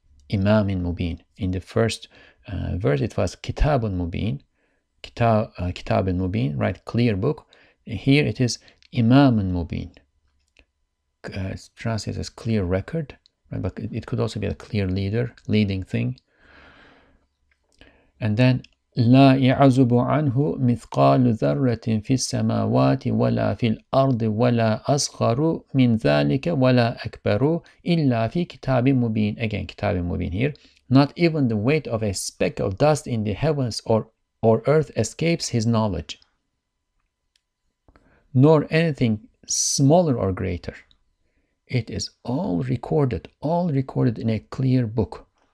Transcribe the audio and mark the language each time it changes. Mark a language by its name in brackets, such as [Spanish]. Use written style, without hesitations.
[Arabic] إِمَامٍ مُبِينٍ [English] In the first verse, it was [Arabic] كِتَابٌ مُبِينٍ كِتَابٌ مُبِينٍ, [English] right? Clear book. Here it is [Arabic] إِمَامٌ مُبِينٍ [English] translated as clear record. Right, but it could also be a clear leader, leading thing. And then, [Arabic] لا يعزب عنه مثقال ذرة في السماوات ولا في الأرض ولا أصغر من ذلك ولا أكبر إلا في كتاب مبين. [English] Again, [Arabic] كتاب مبين [English] here. Not even the weight of a speck of dust in the heavens or earth escapes his knowledge, nor anything smaller or greater. It is all recorded in a clear book.